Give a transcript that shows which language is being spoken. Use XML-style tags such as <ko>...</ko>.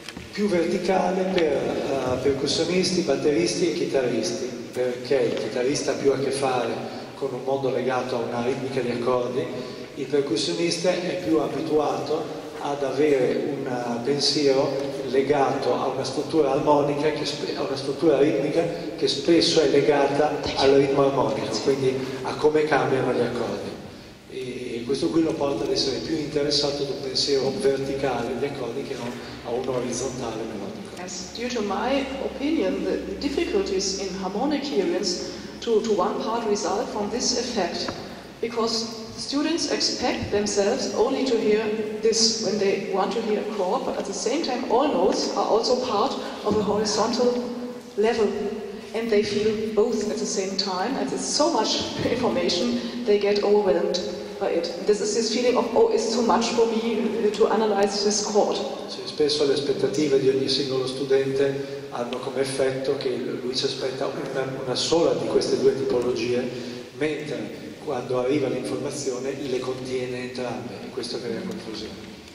<it>Più verticale per percussionisti, batteristi e chitarristi, perché il chitarrista ha più a che fare con un mondo legato a una ritmica di accordi, il percussionista è più abituato ad avere un pensiero legato a una struttura armonica, a una struttura ritmica che spesso è legata al ritmo armonico, quindi a come cambiano gli accordi. Questo qui lo porta ad essere più interessato ad un pensiero verticale di accordi che non a un orizzontale melodico.</it> <en>Yes, due to my opinion, the difficulties in harmonic hearing to one part result from this effect, because students expect themselves only to hear this when they want to hear a chord, but at the same time all notes are also part of a horizontal level. And they feel both at the same time, and it's so much information they get overwhelmed. This feeling of, oh, it's too much for me to analyze this chord.</en> <it>Sì, spesso le aspettative di ogni singolo studente hanno come effetto che lui si aspetta una sola di queste due tipologie, mentre quando arriva l'informazione le contiene entrambe, e questo crea confusione.</it>